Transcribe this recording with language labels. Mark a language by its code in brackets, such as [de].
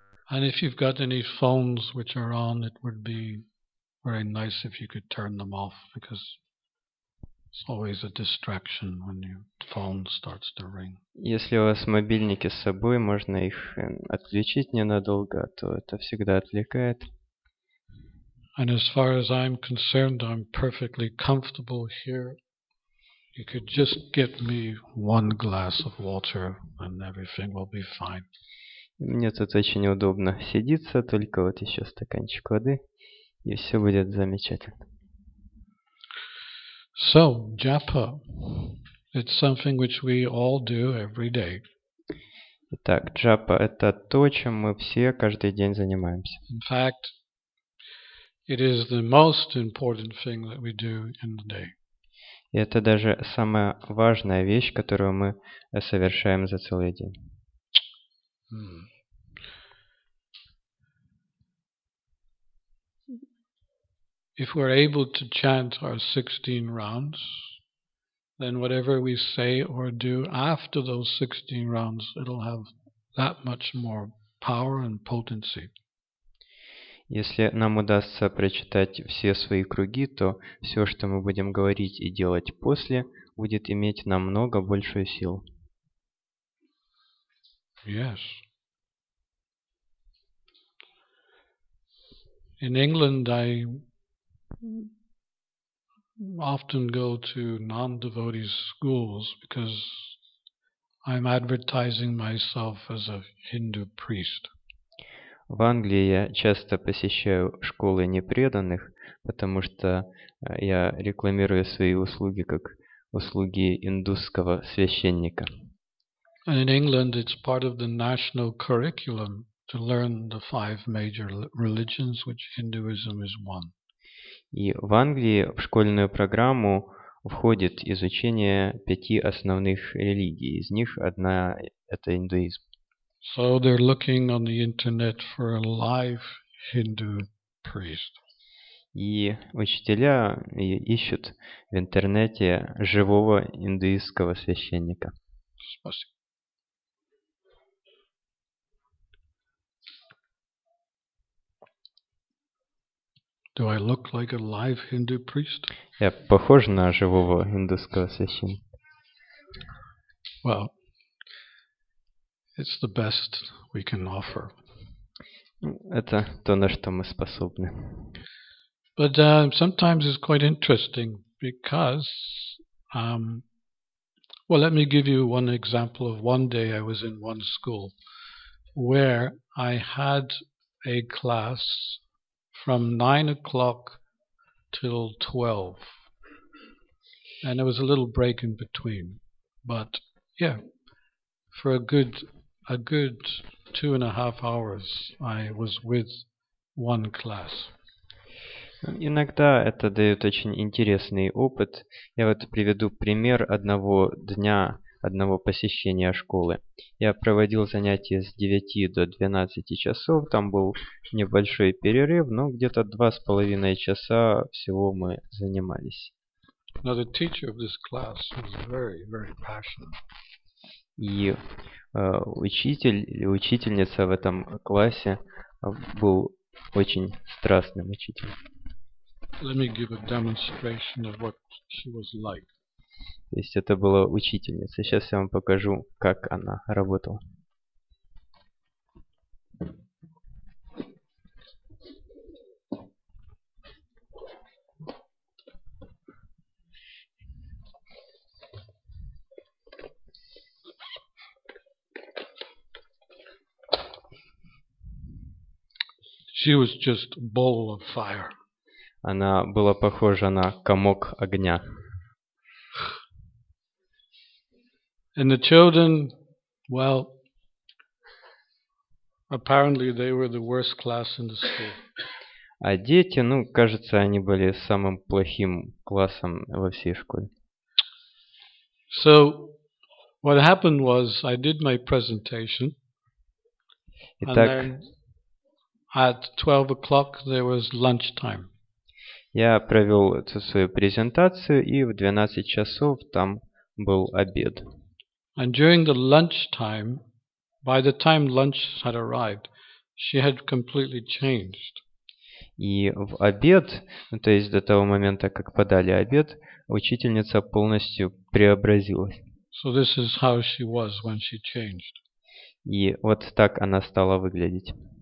[ru] Если у вас мобильники с собой, можно их отключить ненадолго, то это всегда отвлекает. [en] And as far as I'm concerned, I'm perfectly comfortable here. You could just get me one glass of water and everything will be fine. [ru] Мне тут очень удобно сидеться, только вот еще стаканчик воды, и все будет замечательно. [en] So, japa. It's something which we all do every day. [ru] Итак, джапа – это то, чем мы все каждый день занимаемся. [en] In fact, It is the most important thing that we do in the day. [ru] И это даже самая важная вещь, которую мы совершаем за целый день. [en] If we're able to chant our 16 rounds, then whatever we say or do after those 16 rounds, it'll have that much more power and potency. [ru] Если нам удастся прочитать все свои круги, то все, что мы будем говорить и делать после, будет иметь намного большую силу. [en] Yes. In England, I often go to non-devotee schools because I'm advertising myself as a Hindu priest. [ru] В Англии я часто посещаю школы непреданных, потому что я рекламирую свои услуги как услуги индусского священника. [en] And in England it's part of the national curriculum to learn the five major religions, which Hinduism is one. [ru] И в Англии в школьную программу входит изучение пяти основных религий, из них одна – это индуизм. [en] So they're looking on the internet for a live Hindu priest. [ru] И учителя ищут в интернете живого индуистского священника. Спасибо. [en] Do I look like a live Hindu priest? [ru] Я похож на живого индуистского священника. [en] Well, it's the best we can offer. [ru] Это то, на что мы способны. [en] But sometimes it's quite interesting because, well, let me give you one example of one day I was in one school where I had a class from 9 o'clock till 12, and there was a little break in between. But yeah, for a good 2.5 hours I was with one class. [ru] Иногда это дает очень интересный опыт. Я вот приведу пример одного дня, одного посещения школы. Я проводил занятия с 9 до 12 часов. Там был небольшой перерыв, но где-то 2.5 часа всего мы занимались. [en] Now the teacher of this class was very, very passionate. [ru] И учитель или учительница в этом классе был очень страстным учителем. [en] Let me give a demonstration of what she was like. [ru] То есть это была учительница. Сейчас я вам покажу, как она работала. [en] She was just a ball of fire. [ru] Она была похожа на комок огня. [en] And the children, well, apparently they were the worst class in the school. [ru] А дети, ну, кажется, они были самым плохим классом во всей школе. [en] So what happened was I did my presentation. [ru] Итак, [en] at 12 o'clock there was lunchtime. [ru] Я провел эту свою презентацию, и в 12 часов там был обед. [en] And during the lunchtime, by the time lunch had arrived, she had completely changed. [ru] И в обед, то есть до того момента, как подали обед, учительница полностью преобразилась. [en] So this is how she was when she changed. [ru] И вот так она стала выглядеть.